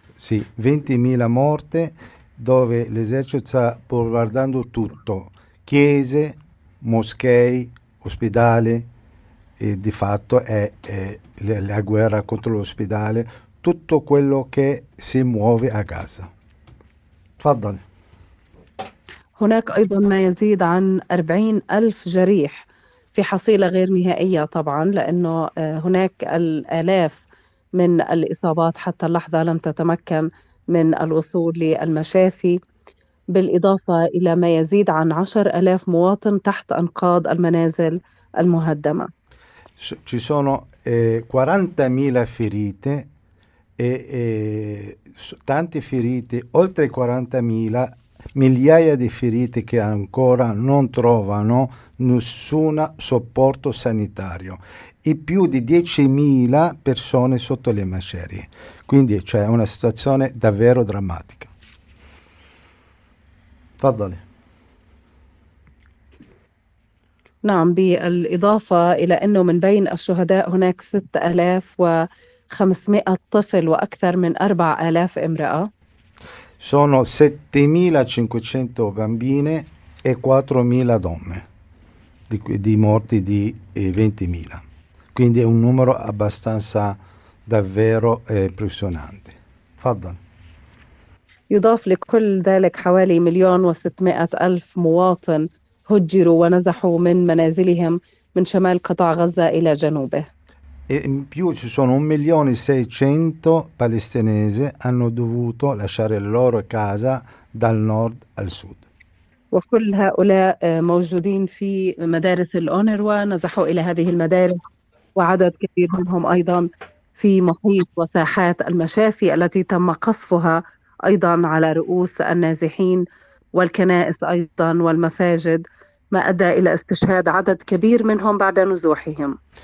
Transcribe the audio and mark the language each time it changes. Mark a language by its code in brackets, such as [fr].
[it] Sì, 20.000 morte dove l'esercito sta bombardando tutto, chiese, moschei, ospedale, e di fatto è la guerra contro l'ospedale, tutto quello che si muove a Gaza. [ar] Tfaddal. هناك أيضا ما يزيد عن 40,000 جريح في حصيلة غير نهائية طبعا لأنه هناك الآلاف من الإصابات حتى اللحظة لم تتمكن من الوصول للمشافي بالإضافة إلى ما يزيد عن 10,000 مواطن تحت أنقاض المنازل المهدمة. [it] Ci sono 40.000 ferite e tanti ferite oltre 40.000 migliaia di ferite che ancora non trovano nessun supporto sanitario e più di 10.000 persone sotto le macerie. Quindi c'è una situazione davvero drammatica. [ar] Tfaddali. نعم بالاضافه الى انه من بين الشهداء هناك 6500 طفل واكثر من 4000 امراه. [it] Sono 7.500 bambine e 4.000 donne di morti di 20.000. Quindi è un numero abbastanza davvero impressionante. [ar] Faddal. يضاف لكل ذلك حوالي 1,600,000 مواطن هجروا ونزحوا من منازلهم من شمال قطاع غزة إلى جنوبه. [it] E in più ci sono 1.600.000 palestinesi hanno dovuto lasciare la loro casa dal nord al sud. [ar] وكل هؤلاء موجودين في مدارس الأونروا نزحوا إلى هذه المدارس وعدد كبير منهم أيضا في محيط وساحات المشافي التي تم قصفها أيضا على رؤوس النازحين والكنائس أيضا والمساجد ما أدى إلى استشهاد عدد كبير منهم بعد نزوحهم.